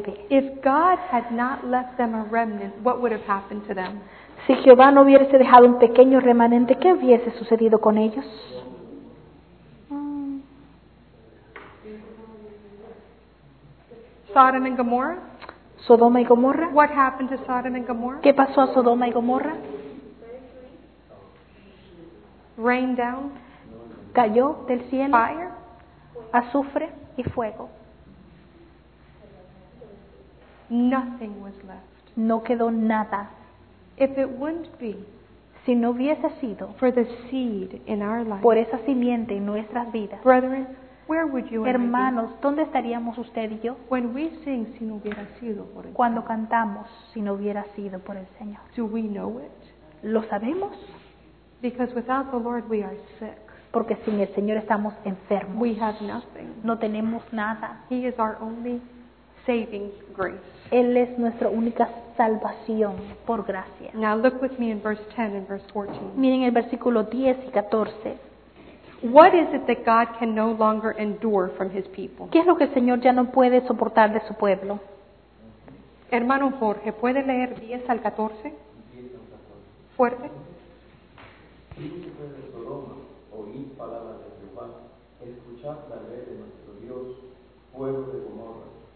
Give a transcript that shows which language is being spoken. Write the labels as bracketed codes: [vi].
[en] If God had not left them a remnant, what would have happened to them? [es] Si Jehová no hubiese dejado un pequeño remanente, ¿qué hubiese sucedido con ellos? [en] Sodom and Gomorrah. [es] Sodoma y Gomorra. [en] What happened to Sodom and Gomorrah? [es] ¿Qué pasó a Sodoma y Gomorra? [en] Rain down. [es] Cayó del cielo. [en] Fire. [es] Azufre y fuego. [en] Nothing was left. [es] No quedó nada. [en] If it wouldn't be, [es] si no hubiese sido, [en] for the seed in our life, [es] por esa simiente en nuestras vidas, [en] brethren, where would you and I be? [es] Hermanos, ¿dónde estaríamos usted y yo? [en] When we sing, [es] si no hubiera sido por el cuando cantamos, si no hubiera sido por el Señor. [en] Do we know it? [es] ¿Lo sabemos? [en] Because without the Lord, we are sick. [es] Porque sin el Señor estamos enfermos. [en] We have nothing. [es] No tenemos nada. [en] He is our only saving grace. [es] Él es nuestra única salvación por gracia. [en] Now look with me in verse 10 and verse 14. [es] Miren el versículo 10 y 14. [en] What is it that God can no longer endure from his people? [es] ¿Qué es lo que el Señor ya no puede soportar de su pueblo? Hermano Jorge, ¿puede leer 10 al 14? Fuerte. Príncipes de Sodoma, oíd palabras de Jehová. Escuchad la ley de nuestro Dios, pueblo de Gomorra.